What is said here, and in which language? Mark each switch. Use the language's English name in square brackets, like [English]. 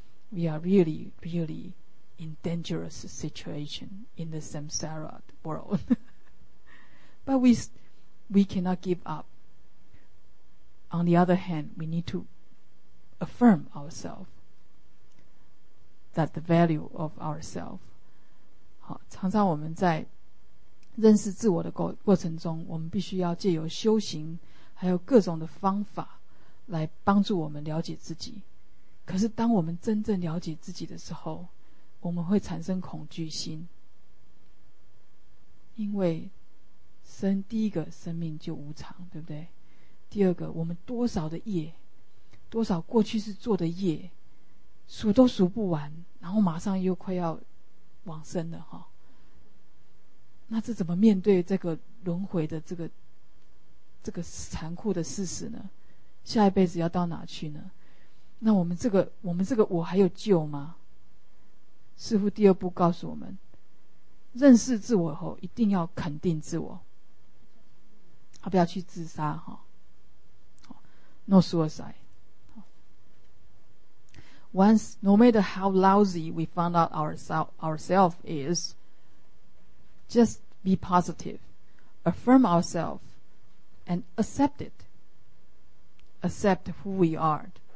[English] We are really, really in dangerous situation in the samsara world. But we cannot give up. On the other hand, we need to affirm ourselves that the value of ourselves. [Chinese] 好，常常我们在认识自我的过程中，我们必须要借由修行还有各种的方法来帮助我们了解自己。可是当我们真正了解自己的时候，我们会产生恐惧心，因为第一个生命就无常，对不对？第二个，我们多少的业，多少过去是做的业，数都数不完，然后马上又快要往生了哈。那这怎么面对这个轮回的这个残酷的事实呢？下一辈子要到哪去呢？那我们这个我还有救吗？师父第二步告诉我们，认识自我后一定要肯定自我，不要去自杀哈。 [English] No suicide. Once, no matter how lousy we found out ourselves is, just be positive, affirm ourselves, and accept it. Accept who we are.